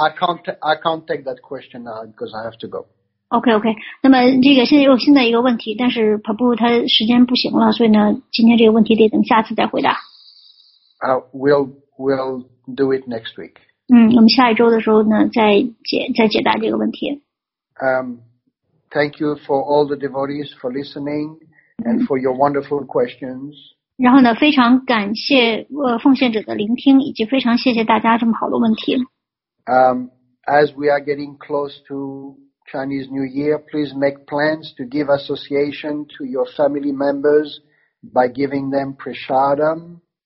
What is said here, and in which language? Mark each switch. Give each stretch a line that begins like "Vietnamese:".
English: I can't take that question now because I have to go. Okay.
Chinese: 那么这个现在有新的一个问题，但是Prabhu他时间不行了，所以呢，今天这个问题得等下次再回答。
English: We'll do it next week.
Chinese: 我们下一周的时候呢，再解答这个问题。
English: Thank you for all the devotees for listening and for your wonderful questions.
Chinese: 然后呢，非常感谢奉献者的聆听，以及非常谢谢大家这么好的问题。
English: As we are getting close to Chinese New Year, please make plans to give association to your family members by giving them prasadam.